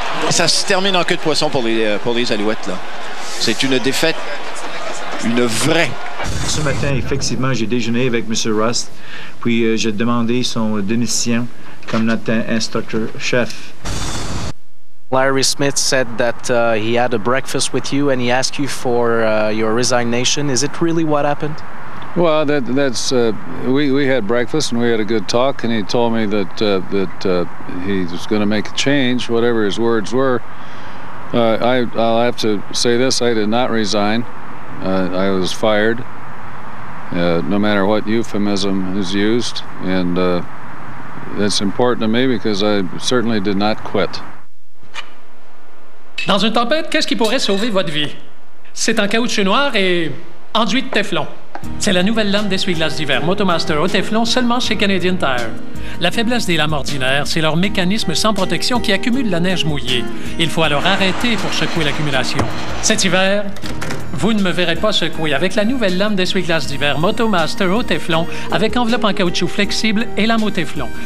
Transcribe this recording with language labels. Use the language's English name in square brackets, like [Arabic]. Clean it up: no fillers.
[French] Ça se termine en queue de poisson pour les Alouettes. Là. C'est une défaite, une vraie. Ce matin, effectivement, j'ai déjeuné avec M. Rust, puis j'ai demandé son démission comme notre instructeur chef. [English] Larry Smith said that he had a breakfast with you and he asked you for your resignation. Is it really what happened? Well, we had breakfast and we had a good talk and he told me that he was going to make a change, whatever his words were. I'll have to say this, I did not resign. I was fired, no matter what euphemism is used. And that's important to me because I certainly did not quit. [French] Dans une tempête, qu'est-ce qui pourrait sauver votre vie? C'est en caoutchouc noir et enduit de Teflon. C'est la nouvelle lame d'essuie-glace d'hiver Motomaster au Teflon seulement chez Canadian Tire. La faiblesse des lames ordinaires, c'est leur mécanisme sans protection qui accumule la neige mouillée. Il faut alors arrêter pour secouer l'accumulation. Cet hiver, vous ne me verrez pas secouer avec la nouvelle lame d'essuie-glace d'hiver Motomaster au Teflon avec enveloppe en caoutchouc flexible et lame au Teflon.